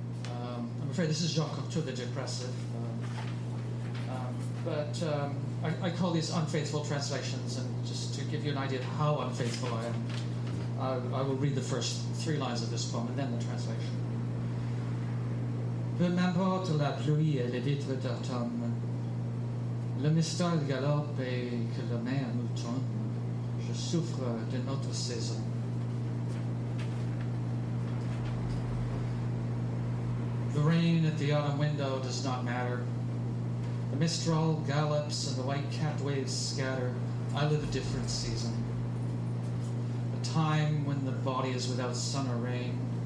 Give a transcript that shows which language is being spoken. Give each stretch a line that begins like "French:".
English: I'm afraid this is Jacques Cocteau, the depressive. I call these unfaithful translations, and just to give you an idea of how unfaithful I am, I will read the first three lines of this poem and then the translation.
French: Peu m'importe la pluie et les vitres d'automne, le mistral galope et que la mer nous tourne, je souffre de notre saison.
English: The rain at the autumn window does not matter. The mistral gallops and the white-capped waves scatter. I live a different season. A time when the body is without sun or rain.